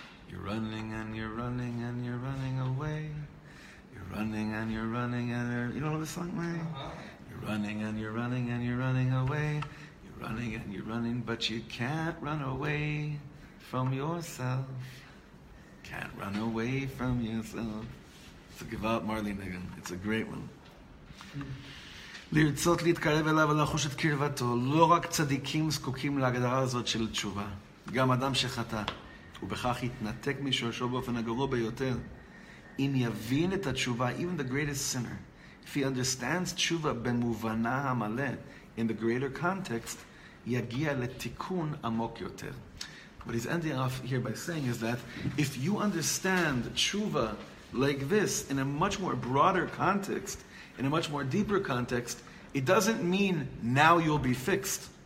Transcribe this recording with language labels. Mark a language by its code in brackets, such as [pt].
[en] You're running and you're running and you're running away. You're running and you're running and you don't know the song, man. Uh-huh. You're running and you're running and you're running away. You're running and you're running, but you can't run away from yourself. Can't run away from yourself. It's a Gevalt Marley Nigan. It's a great one. [he] לרצות להתקרב אליו ולחוש את קרבתו. לא רק צדיקים זקוקים להגדרה הזאת של תשובה. גם אדם שחטא. ובכך יתנתק משורשו באופן הגרוע ביותר. אם יבין את התשובה, [en] even the greatest sinner, if he understands [he] תשובה במובנה המלא, [en] in the greater context, [he] יגיע לתיקון עמוק יותר. [en] What he's ending off here by saying is that if you understand תשובה like this, in a much more broader context, in a much more deeper context, it doesn't mean now you'll be fixed.